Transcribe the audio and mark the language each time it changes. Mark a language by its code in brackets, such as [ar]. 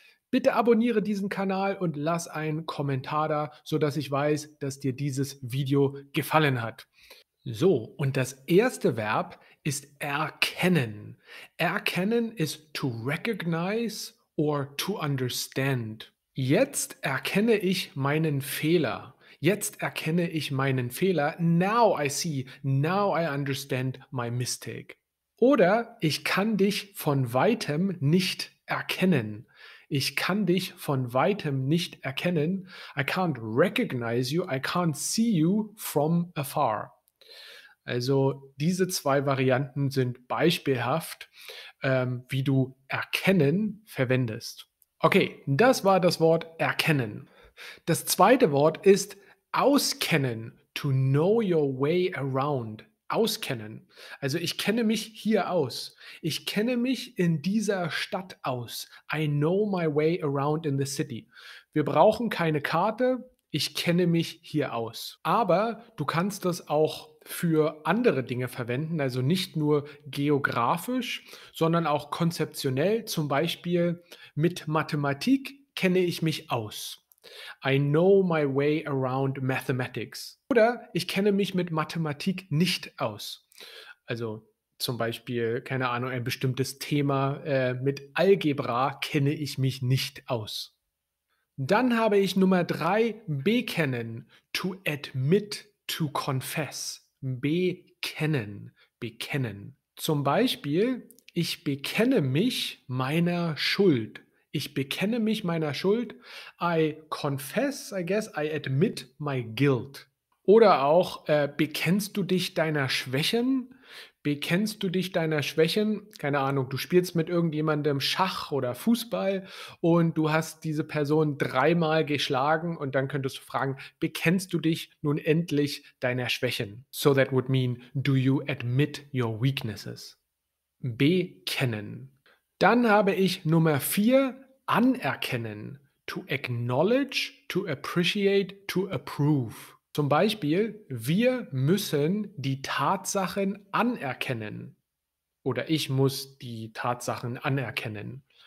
[de] Bitte abonniere diesen Kanal und lass einen Kommentar da, sodass ich weiß, dass dir dieses Video gefallen hat. So, und das erste Verb ist erkennen. Erkennen ist [en] to recognize or to understand. [de] Jetzt erkenne ich meinen Fehler. Jetzt erkenne ich meinen Fehler. [en] Now I see. Now I understand my mistake. [de] Oder ich kann dich von weitem nicht erkennen. Ich kann dich von weitem nicht erkennen. [en] I can't recognize you. I can't see you from afar. [de] Also diese zwei Varianten sind beispielhaft, wie du erkennen verwendest. Okay, das war das Wort erkennen. Das zweite Wort ist auskennen, [en] to know your way around, [de] auskennen. Also ich kenne mich hier aus, ich kenne mich in dieser Stadt aus, [en] I know my way around in the city. [de] Wir brauchen keine Karte, ich kenne mich hier aus. Aber du kannst das auch für andere Dinge verwenden, also nicht nur geografisch, sondern auch konzeptionell, zum Beispiel mit Mathematik kenne ich mich aus. [en] I know my way around mathematics. [de] Oder ich kenne mich mit Mathematik nicht aus. Also zum Beispiel, keine Ahnung, ein bestimmtes Thema mit Algebra kenne ich mich nicht aus. Dann habe ich Nummer 3, bekennen, [en] to admit, to confess. [de] Bekennen, bekennen. Zum Beispiel, ich bekenne mich meiner Schuld. Ich bekenne mich meiner Schuld. [en] I confess, I guess, I admit my guilt. [de] Oder auch, bekennst du dich deiner Schwächen? Bekennst du dich deiner Schwächen? Keine Ahnung, du spielst mit irgendjemandem Schach oder Fußball und du hast diese Person 3-mal geschlagen und dann könntest du fragen, bekennst du dich nun endlich deiner Schwächen? [en] So that would mean, do you admit your weaknesses? [de] Bekennen. Dann habe ich Nummer 4, anerkennen. [en] To acknowledge, to appreciate, to approve. [de] Zum Beispiel, wir müssen die Tatsachen anerkennen. Oder ich muss die Tatsachen anerkennen.